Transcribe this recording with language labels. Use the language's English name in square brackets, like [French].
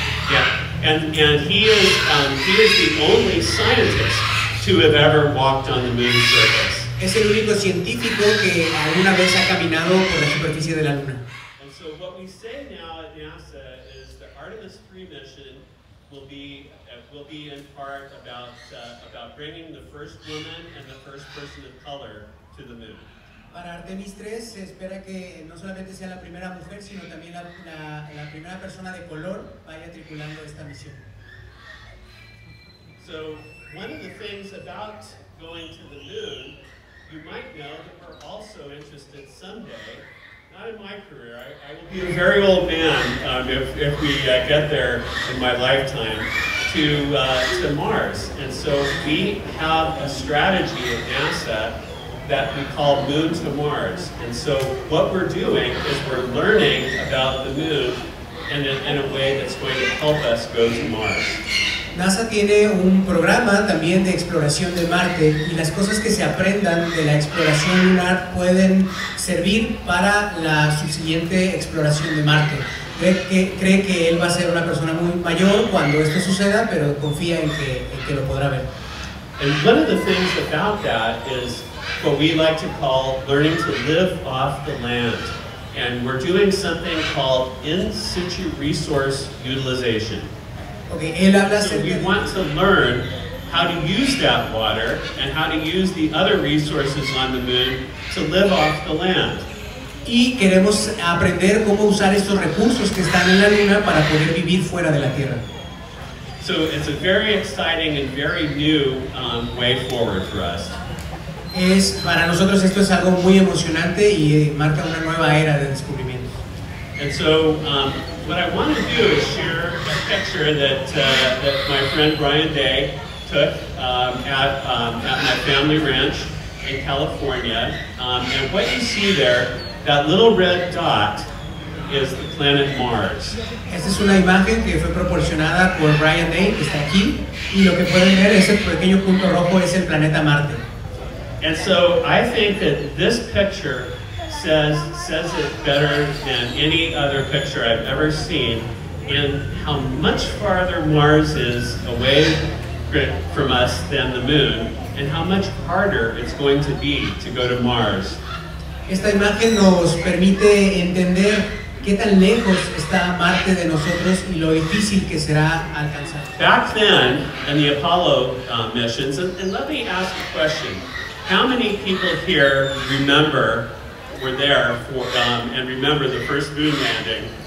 [English] Yeah, and he is the only scientist to have ever walked on the moon's surface. [Spanish] Es el único científico que alguna vez ha caminado por la superficie de la luna. [English] And so what we say now at NASA is the Artemis 3 mission will be in part about bringing the first woman and the first person of color to the moon. [Spanish] Para Artemis 3 se espera que no solamente sea la primera mujer, sino también la primera persona de color vaya tripulando esta misión. [English] So, one of the things about going to the moon, you might know that we're also interested someday, not in my career, I will be a very old man if we get there in my lifetime, to Mars. And so we have a strategy at NASA that we call Moon to Mars. And so what we're doing is we're learning about the moon in a way that's going to help us go to Mars. [Spanish] NASA tiene un programa también de exploración de Marte, y las cosas que se aprendan de la exploración lunar pueden servir para la subsiguiente exploración de Marte. Cree que él va a ser una persona muy mayor cuando esto suceda, pero confía en que lo podrá ver. [English] And one of the things about that is what we like to call learning to live off the land. And we're doing something called in-situ resource utilization. [Spanish] Okay, él habla [English] so we want to learn how to use that water and how to use the other resources on the moon to live off the land. [Spanish] Y queremos aprender cómo usar estos recursos que están en la luna para poder vivir fuera de la Tierra. [English] So it's a very exciting and very new way forward for us. [Spanish] Es, para nosotros esto es algo muy emocionante y marca una nueva era de descubrimientos. [English] And so, what I want to do is share a picture that my friend Brian Day took at my family ranch in California. And what you see there, that little red dot, is the planet Mars. [Spanish] Esta es una imagen que fue proporcionada por Brian Day, que está aquí. Y lo que pueden ver, ese pequeño punto rojo, es el planeta Marte. [English] And so I think that this picture says it better than any other picture I've ever seen in how much farther Mars is away from us than the moon and how much harder it's going to be to go to Mars. [Spanish] Esta imagen nos permite entender qué tan lejos está Marte de nosotros y lo difícil que será alcanzar. [English] Back then in the Apollo missions, and let me ask a question. How many people here remember the first moon landing?